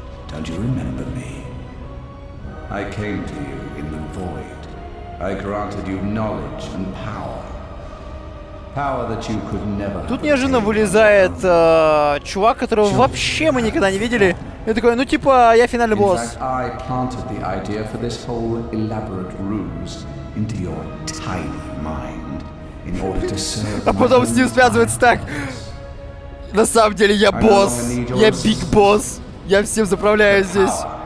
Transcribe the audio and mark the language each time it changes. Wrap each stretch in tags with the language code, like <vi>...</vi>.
<en>Don't you remember me? I came to you in the void. I granted you knowledge and power. Power that you could never.</en> <ru>Тут неожиданно вылезает чувак, которого вообще мы никогда не видели. Я такой, ну типа, я финальный босс.</ru> <en>I planted the idea for this whole elaborate ruse into your tiny mind in order to serve.</en> <ru>А потом с ним связывается так. На самом деле я босс. Я биг босс. Я всем заправляю здесь.</ru>